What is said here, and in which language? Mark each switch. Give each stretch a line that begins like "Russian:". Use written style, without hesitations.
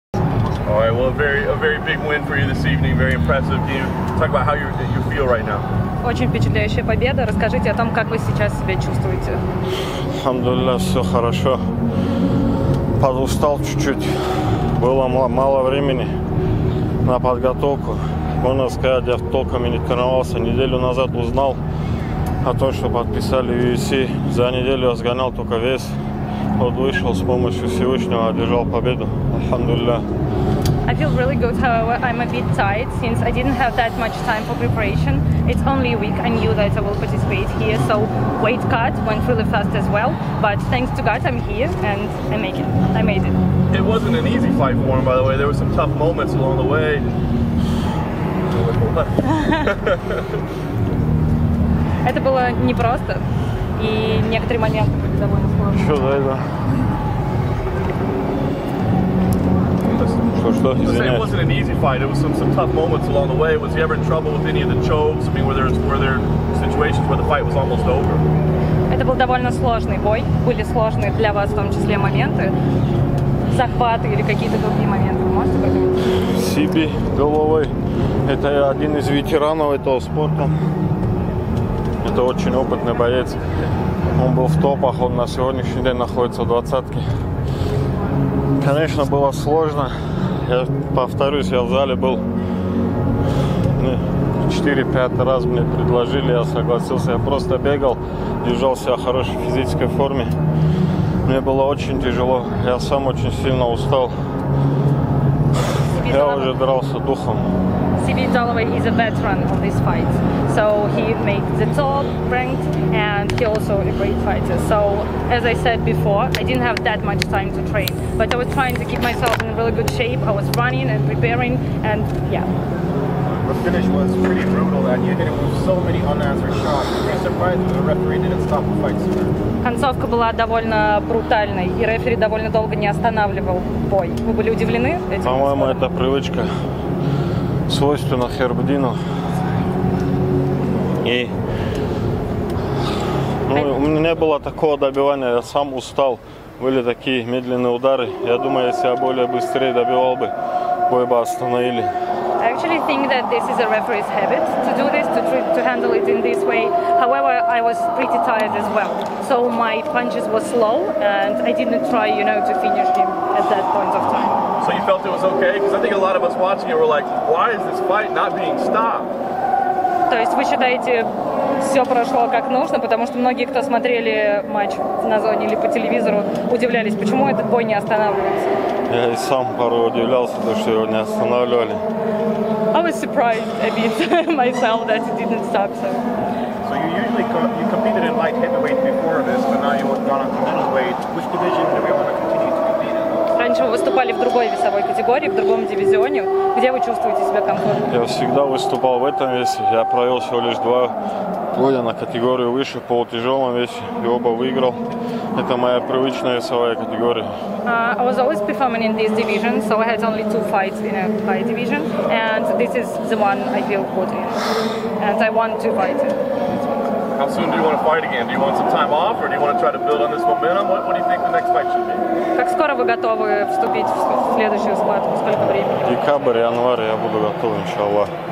English: All right, well, a very big win for you this evening, very impressive. Can you talk about how you feel right now?
Russian: Очень впечатляющая победа. Расскажите о том, как вы сейчас себя чувствуете. Алхамдулилла, все хорошо. Подустал чуть-чуть. Было мало времени на подготовку. Можно сказать, я толком и не тренировался. Неделю назад узнал о том, что подписали UFC. За неделю разгонял только вес. Вот вышел с помощью Всевышнего, одержал победу. Алхамдулилла.
English: I feel really good, however, I'm a bit tired since I didn't have that much time for preparation. It's only a week, I knew that I will participate here, so weight cut went really fast as well. But thanks to God, I'm here and I made it. It wasn't an easy fight for him, by the way. There were some tough moments along the way.
Russian: Это было непросто, и некоторые моменты были довольно сложные. Что за это? Что? Извиняюсь.
English: It wasn't an easy fight. It was some tough moments along the way. Was he ever in trouble with any of the chokes? I mean, were there situations where the fight was almost over?
Russian: Это был довольно сложный бой. Были сложные для вас, в том числе, моменты. Захваты или какие-то другие моменты. Вы можете поговорить? Сиби головой. Это один из ветеранов этого спорта. Это очень опытный боец. Он был в топах. Он на сегодняшний день находится в двадцатке. Конечно, было сложно. Я повторюсь, я в зале был 4-5 раз мне предложили, я согласился. Я просто бегал, держал себя в хорошей физической форме. Мне было очень тяжело. Я сам очень сильно устал. Я уже дрался духом.
English: CB Dalloway is a veteran of this fight. So he made the top ranked and he also a great fighter. So as I said before, I didn't have that much time to train. But I was trying to keep myself in really good shape. I was running and preparing and yeah. The finish was pretty brutal and you hit it with so many unanswered shots. Are you surprised that the referee didn't stop the fight sooner?
Russian: Концовка была довольно брутальной и рефери довольно долго не останавливал бой. Вы были удивлены этим? По-моему, это привычка. Свойственно Хербдину. У меня не было такого добивания, я сам устал. Были такие медленные удары. Я думаю, если я более быстрее добивал бы, бой бы остановили.
English: I actually think that this is a referee's habit to do this, to handle it in this way. However, I was pretty tired as well. So my punches were slow and I didn't try, you know, to finish him at that point of time. So you felt it was okay? Because I think a lot of us watching it were like, why is this fight not being stopped?
Russian: То есть вы считаете, все прошло как нужно, потому что многие, кто смотрели матч на зоне или по телевизору, удивлялись, почему этот бой не останавливается. Я и сам порой удивлялся, что его не останавливали.
English: I was surprised a bit myself that it didn't stop. So, so you usually you competed in light heavyweight before this, but now you've gone on to middleweight. Which division do we want to continue to compete in?
Russian: Раньше вы выступали в другой весовой категории, в другом дивизионе. Где вы чувствуете себя комфортно? Я всегда выступал в этом весе. Я провел всего лишь 2 года на категорию выше, полутяжелом весе, и оба выиграл. Это моя привычная весовая категория.
English: I was always performing in this division, so I had only 2 fights in a high division, and this is the one I feel good in, and I want to fight it. How soon do you want to fight again? Do you want some time off, or do you want to try to build on this momentum? What do you think the next fight should be?
Russian: Как скоро вы готовы вступить в следующую схватку? Сколько времени? Декабрь, январь, я буду готов, иншаллах.